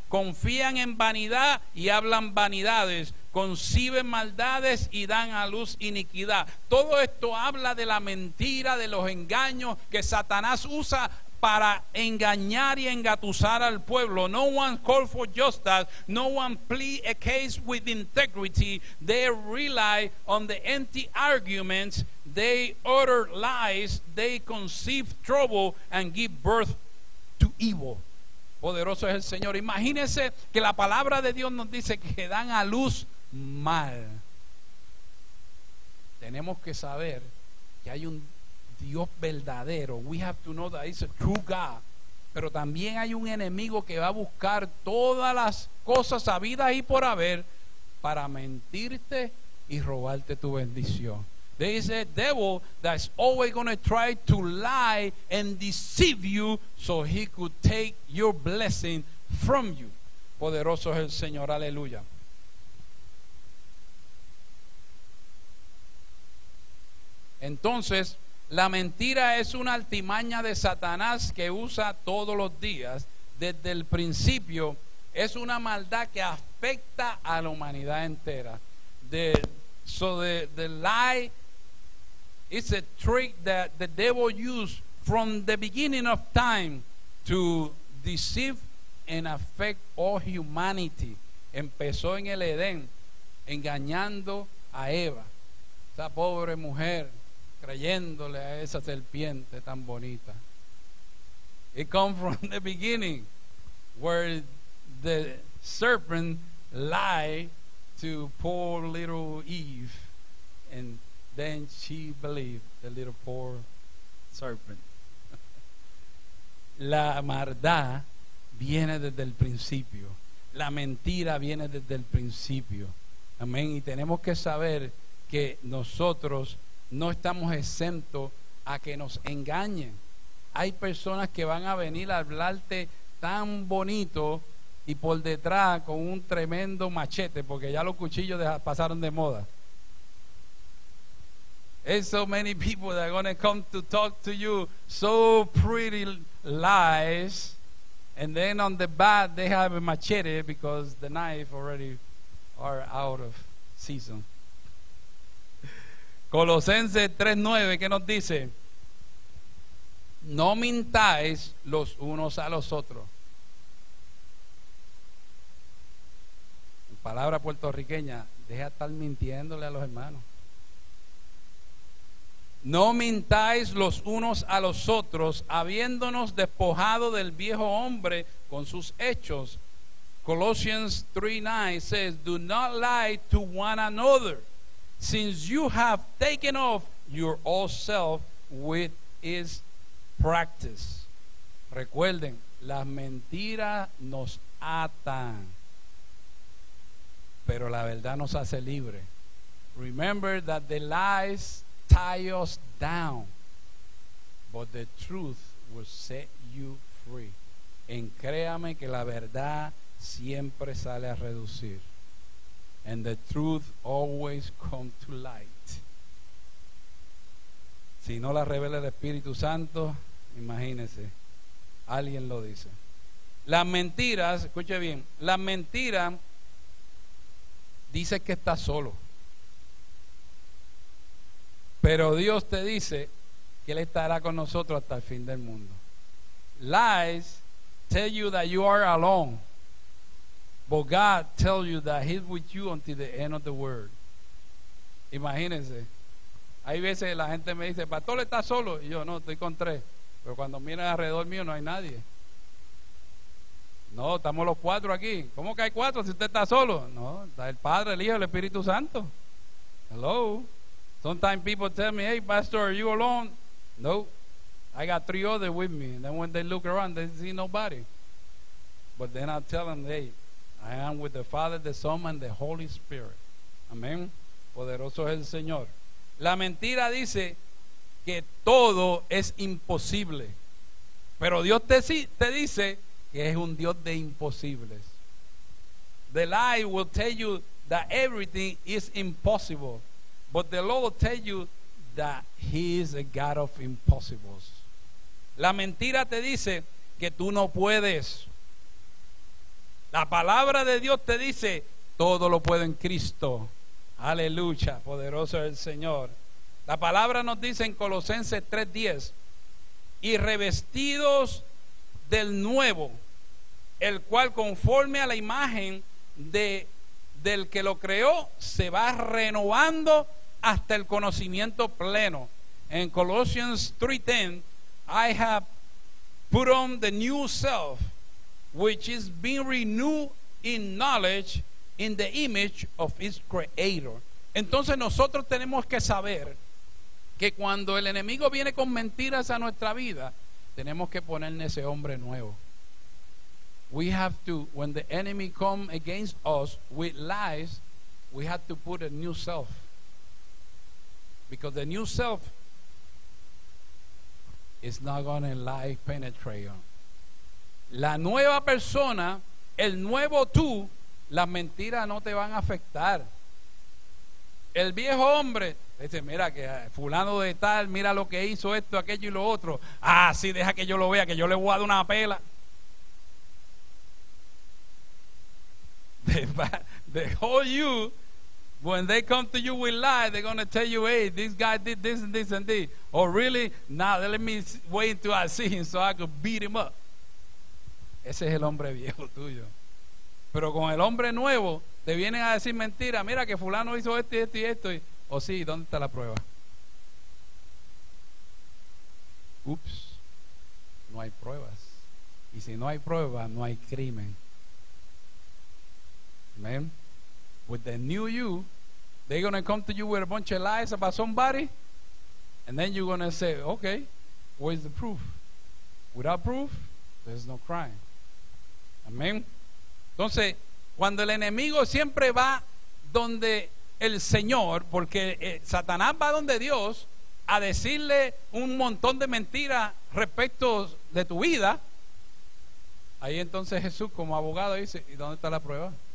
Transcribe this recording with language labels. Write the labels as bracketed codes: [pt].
[es] Confían en vanidad y hablan vanidades, conciben maldades y dan a luz iniquidad. Todo esto habla de la mentira, de los engaños que Satanás usa para engañar y engatusar al pueblo. [en] No one calls for justice, no one plead a case with integrity. They rely on the empty arguments, they utter lies, they conceive trouble and give birth to evil. [es] Poderoso es el Señor. Imagínese que la palabra de Dios nos dice que dan a luz mal. Tenemos que saber que hay un Dios verdadero. [en] We have to know that it's a true God. [es] Pero también hay un enemigo que va a buscar todas las cosas habidas y por haber para mentirte y robarte tu bendición. [en] There is a devil that's always going to try to lie and deceive you so he could take your blessing from you. [es] Poderoso es el Señor, aleluya. Entonces, la mentira es una artimaña de Satanás que usa todos los días desde el principio. Es una maldad que afecta a la humanidad entera. [en] The lie is a trick that the devil used from the beginning of time to deceive and affect all humanity. [es] Empezó en el Edén engañando a Eva, esa pobre mujer, creyéndole a esa serpiente tan bonita. [en] It comes from the beginning where the serpent lied to poor little Eve, and then she believed, the little poor serpent. [es] La maldad viene desde el principio. La mentira viene desde el principio. Amén. Y tenemos que saber que nosotros no estamos exentos a que nos engañen. Hay personas que van a venir a hablarte tan bonito y por detrás con un tremendo machete, porque ya los cuchillos pasaron de moda. [en] There's so many people that are going to come to talk to you so pretty lies, and then on the back they have a machete because the knife already are out of season. [es] Colosenses 3:9, ¿qué nos dice? No mintáis los unos a los otros. Palabra puertorriqueña, deja estar mintiéndole a los hermanos. No mintáis los unos a los otros, habiéndonos despojado del viejo hombre con sus hechos. [en] Colossians 3:9 says, do not lie to one another, since you have taken off your old self with its practice. [es] Recuerden, las mentiras nos atan, pero la verdad nos hace libre. [en] Remember that the lies tie us down, but the truth will set you free. [es] En créame que la verdad siempre sale a reducir. [en] And the truth always comes to light. [es] Si no la revela el Espíritu Santo, imagínese, alguien lo dice. Las mentiras, escuche bien, las mentiras dicen que estás solo. Pero Dios te dice que Él estará con nosotros hasta el fin del mundo. [en] Lies tell you that you are alone, but God tells you that he's with you until the end of the world. [es] Imagínense. Hay veces la gente me dice, pastor, ¿está solo? Y yo, no, estoy con tres. Pero cuando miran alrededor mío, no hay nadie. No, estamos los cuatro aquí. ¿Cómo que hay cuatro si usted está solo? No, está el Padre, el Hijo, el Espíritu Santo. [en] Hello. Sometimes people tell me, hey, pastor, are you alone? No, I got three others with me. And then when they look around, they see nobody. But then I tell them, hey, I am with the Father, the Son, and the Holy Spirit. [es] Amén. Poderoso es el Señor. La mentira dice que todo es imposible, pero Dios te dice que es un Dios de imposibles. [en] The lie will tell you that everything is impossible, but the Lord will tell you that He is a God of impossibles. [es] La mentira te dice que tú no puedes. La palabra de Dios te dice todo lo puedo en Cristo. Aleluya, poderoso es el Señor. La palabra nos dice en Colosenses 3:10, y revestidos del nuevo, el cual conforme a la imagen del que lo creó se va renovando hasta el conocimiento pleno. [en] En Colossians 3:10, I have put on the new self, which is being renewed in knowledge in the image of its creator. [es] Entonces nosotros tenemos que saber que cuando el enemigo viene con mentiras a nuestra vida, tenemos que ponerle ese hombre nuevo. [en] We have to, when the enemy comes against us with lies, we have to put a new self. Because the new self is not going to lie penetrate on. [es] La nueva persona, el nuevo tú, las mentiras no te van a afectar. El viejo hombre dice, mira que fulano de tal, mira lo que hizo esto, aquello y lo otro. Ah, sí, deja que yo lo vea, que yo le voy a dar una pela. [en] The whole you, when they come to you with lies, they're going to tell you, hey, this guy did this and this and this. Oh, really? Nah, let me wait until I see him so I can beat him up. [es] Ese es el hombre viejo tuyo. Pero con el hombre nuevo, te vienen a decir mentiras. Mira que fulano hizo esto y esto y esto. Oh, sí, ¿dónde está la prueba? Ups, no hay pruebas. Y si no hay pruebas, no hay crimen. [en] Amen. With the new you, they're going to come to you with a bunch of lies about somebody, and then you're going to say, okay, where's the proof? Without proof, there's no crime. Amen. [es] Entonces, cuando el enemigo siempre va donde el Señor, porque Satanás va donde Dios a decirle un montón de mentiras respecto de tu vida, ahí entonces Jesús como abogado dice, ¿y dónde está la prueba?